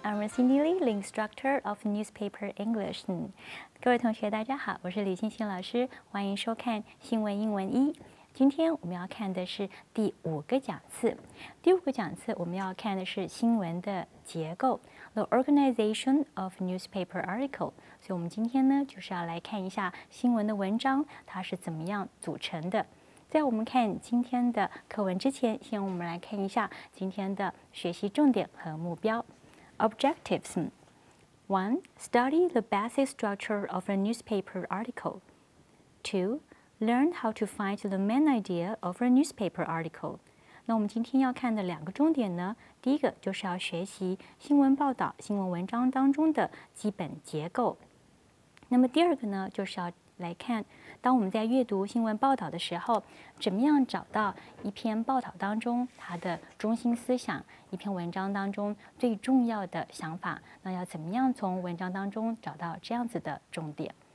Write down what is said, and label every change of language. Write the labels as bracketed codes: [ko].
[en] I'm Cindy Lee, the instructor of newspaper English. [zh] 各位同学大家好，我是李欣欣老师，欢迎收看新闻英文一。今天我们要看的是第五个讲次。第五个讲次我们要看的是新闻的结构， [en] The organization of newspaper article. [zh] 所以我们今天呢就是要来看一下新闻的文章它是怎么样组成的。在我们看今天的课文之前，先我们来看一下今天的学习重点和目标。 [en] Objectives: 1. Study the basic structure of a newspaper article. 2. Learn how to find the main idea of a newspaper article. [zh] 那我们今天要看的两个重点呢，第一个就是要学习新闻报道、新闻文章当中的基本结构。那么第二个呢，就是要来看当我们在阅读新闻报道的时候，怎么样找到一篇报道当中它的中心思想，一篇文章当中最重要的想法，那要怎么样从文章当中找到这样子的重点。